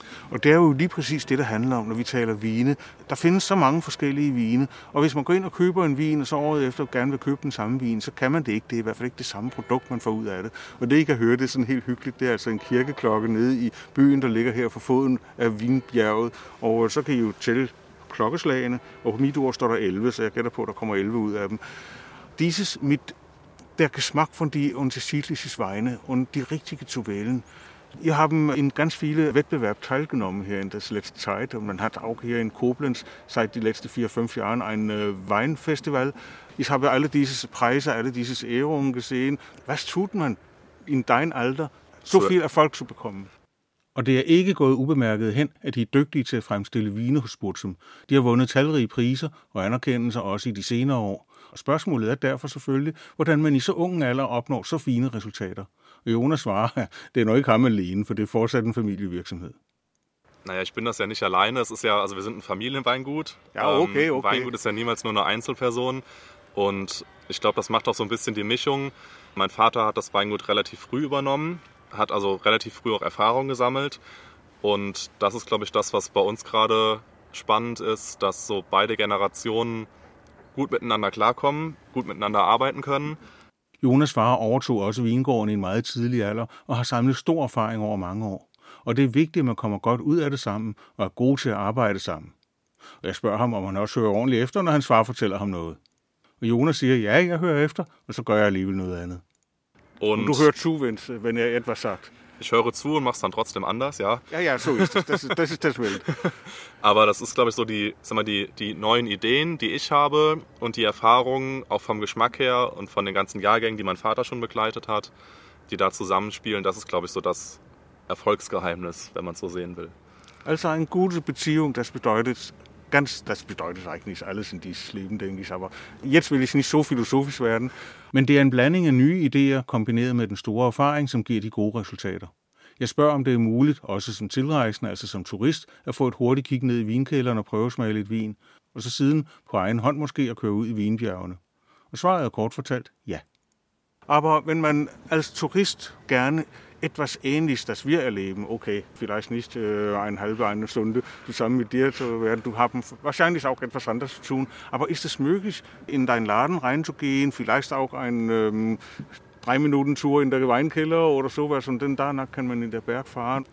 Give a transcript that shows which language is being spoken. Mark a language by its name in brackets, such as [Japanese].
[Danish] Og det er jo lige præcis det, der handler om, når vi taler vine. Der findes så mange forskellige vine, og hvis man går ind og køber en vin, og så året efter gerne vil købe den samme vin, så kan man det ikke. Det er i hvert fald ikke det samme produkt, man får ud af det. Og det, I kan høre, det er sådan helt hyggeligt. Det er altså en kirkeklokke nede i byen, der ligger her for foden af Vinbjerget. Og så kan I jo tælle klokkeslagene, og på mit ord står der 11, så jeg gætter på, at der kommer 11 ud af dem. [German] Dieses mit der Geschmack von die unterschiedlichen Weine und die richtige zu wählen. Ihr haben in ganz viele Wettbewerb teilgenommen hier in der letzten Zeit und man hat auch hier in Koblenz seit die letzten 4-5 Jahren ein Weinfestival. Ich habe alle diese Preise, alle diese Ehrungen gesehen. Was tut man in dein Alter, so viel Erfolg zu bekommen? [Danish] Og det er ikke gået ubemærket hen, at de er dygtige til at fremstille vine hos Burzum. De har vundet talrige priser og anerkendelser også i de senere år. Og spørgsmålet er derfor selvfølgelig, hvordan man i så ung alder opnår så fine resultater. Og Jonas svarer, at det er nok ikke ham alene, for det er fortsat en familievirksomhed. [German] Naja, ich bin das ja nicht alleine. Es ist ja, also wir sind ein Familienweingut. Ja, okay, okay. Weingut ist ja niemals nur eine Einzelperson. Und ich glaube, das macht auch so ein bisschen die Mischung. Mein Vater hat das Weingut relativ früh übernommen. Hat also relativ früh auch Erfahrung gesammelt. Und das ist, glaube ich, das, was bei uns gerade spannend ist, dass so beide Generationen gut miteinander klarkommen, gut miteinander arbeiten können. [Danish] Jonas' far overtog også vingården i en meget tidlig alder og har samlet stor erfaring over mange år. Og det er vigtigt, at man kommer godt ud af det sammen og er god til at arbejde sammen. Og jeg spørger ham, om han også hører ordentligt efter, når hans far fortæller ham noget. Og Jonas siger, ja, jeg hører efter, og så gør jeg alligevel noget andet. [German] Und du hörst zu, wenn, wenn er etwas sagt. Ich höre zu und mach's dann trotzdem anders, ja. Ja, ja, so ist das. Das ist das Wild. Aber das ist, glaube ich, so die, sag mal, die neuen Ideen, die ich habe und die Erfahrungen auch vom Geschmack her und von den ganzen Jahrgängen, die mein Vater schon begleitet hat, die da zusammenspielen, das ist, glaube ich, so das Erfolgsgeheimnis, wenn man es so sehen will. Also eine gute Beziehung, das bedeutet... Ganz, das bedeutet eigentlich alles in dieses Leben, denke ich, aber jetzt will ich nicht so philosophisch werden. [Danish] Men det er en blanding af nye ideer kombineret med den store erfaring, som giver de gode resultater. Jeg spørger, om det er muligt, også som tilrejsende, altså som turist, at få et hurtigt kig ned i vinkælderen og prøvesmage lidt vin, og så siden på egen hånd måske at køre ud i vinbjergene. Og svaret er kort fortalt, ja. [German] Aber wenn man als Tourist gerne etwas Ähnliches, das wir erleben, okay, vielleicht nicht eine Stunde zusammen mit dir zu werden, du hast wahrscheinlich auch etwas anderes zu tun, aber ist es möglich, in deinen Laden reinzugehen, vielleicht auch eine 3-Minuten-Tour in der Weinkeller oder sowas und dann danach kann man in der Berg fahren?